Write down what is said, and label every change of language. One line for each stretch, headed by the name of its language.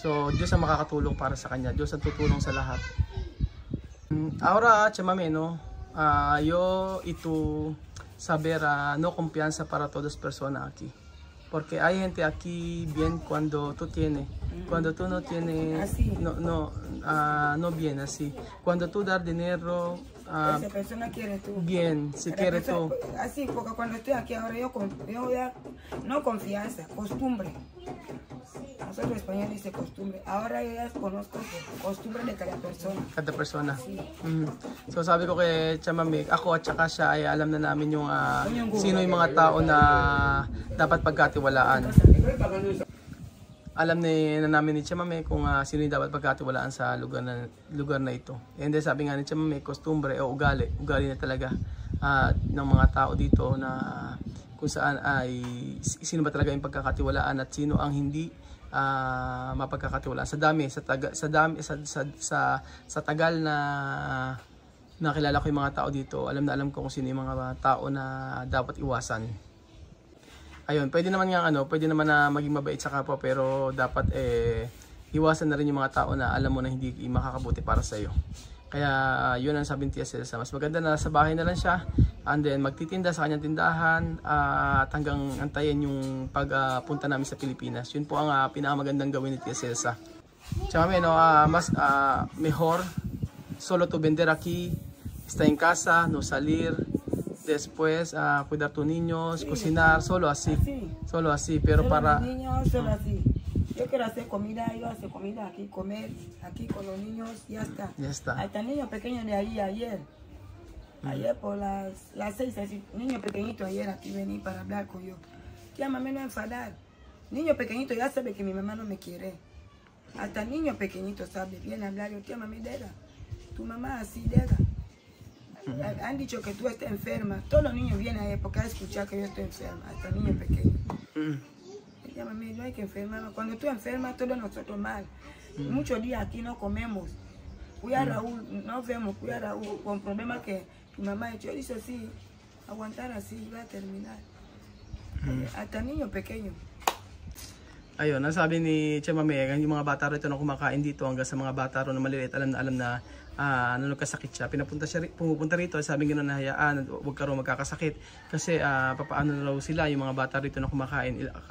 Filipino: So Diyos ang makakatulong para sa kanya, Diyos ang tutulong sa lahat. Aura at si mami, no?
Spanish: Yo ito sabera no confianza para todos persona aquí. Porque hay gente aquí bien cuando tú tienes. Cuando tú no tienes, no viene así. Cuando tú dar dinero, esa persona quiere tú. Bien, si quiere persona, tú. Así, porque cuando estoy aquí ahora yo ya, no confianza, costumbre. Nosotros españoles dice costumbre. Ahora yo ya conozco costumbre de cada persona. Cada persona. Sí.
Filipino: So sabi ko kay Chamami, ako at saka siya ay alam na namin yung sino yung mga tao na dapat pagkatiwalaan. Alam ni na namin ni Chamame kung sino yung dapat pagkatiwalaan sa lugar na ito. And then sabi nga ni Chamame, kostumbre o ugali na talaga ng mga tao dito na kung saan ay sino ba talaga yung pagkakatiwalaan at sino ang hindi mapagkakatiwalaan. Sa tagal na nakilala ko yung mga tao dito, alam ko kung sino yung mga tao na dapat iwasan. Ayun, pwede naman nga pwede naman na maging mabait sa kapwa, pero dapat iwasan na rin yung mga tao na alam mo na hindi makakabuti para sa iyo. Kaya yun ang sabi ni Tia Celsa, mas maganda na sa bahay na lang siya, and then magtitinda sa kanyang tindahan at hanggang antayin yung pagpunta namin sa Pilipinas. Yun po ang pinakamagandang gawin ni Tia Celsa.
Spanish: Tsaka may mejor solo to vender aquí, está en casa, no salir. Después a cuidar tus niños, sí, cocinar, solo así. Así. Solo así, pero solo para. Los niños, solo así. Yo quiero hacer comida, yo hago comida aquí, comer aquí con los niños, ya está. Ya está. Hasta el niño pequeño de ahí ayer. Ayer por las 6, así, niño pequeñito ayer aquí vení para hablar con yo. Ya mamá no enfadar. Niño pequeñito ya sabe que mi mamá no me quiere. Hasta el niño pequeñito sabe, viene a hablar yo, tía mami, deja. Tu mamá así, deja. Han dicho que tú estás enferma. Todos los niños vienen ahí porque han escuchado que yo estoy enferma. Hasta niños pequeños. Ella me dijo, no hay que enfermar. Cuando tú enfermas, todos nosotros mal. Muchos días aquí no comemos. Cuida Raúl, no vemos. Cuida Raúl con problemas que tu mamá ha hecho. Yo dice sí, aguantar así, va a terminar. Hasta niños pequeños.
Filipino: Ayun, ang sabi ni Chamame, yung mga bata rito na kumakain dito hanggang sa mga bata rito na maliliit, alam na nanagkasakit siya. Pumupunta rito, sabi nga na nahayaan, huwag ka rin magkakasakit. Kasi papaano na raw sila yung mga bata rito na kumakain.